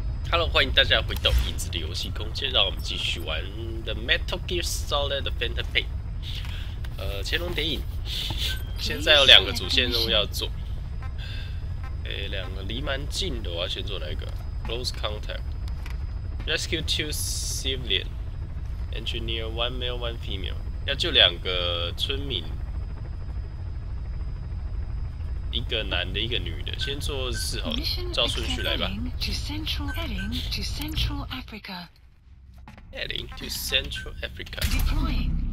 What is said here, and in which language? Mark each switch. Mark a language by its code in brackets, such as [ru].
[zh] Hello， 欢迎大家回到椅子的游戏空间，让我们继续玩 The Metal Gear Solid Phantom Pain。乾隆谍影，现在有两个主线任务要做。两个离蛮近的，我要先做哪一个 ？ [en] Close contact. Rescue two civilian. Engineer one male, one female. [zh] 要救两个村民。一个男的，一个女的，先做四号，照顺序来吧。 [en] Heading to Central Africa. Heading to Central Africa. Deploying.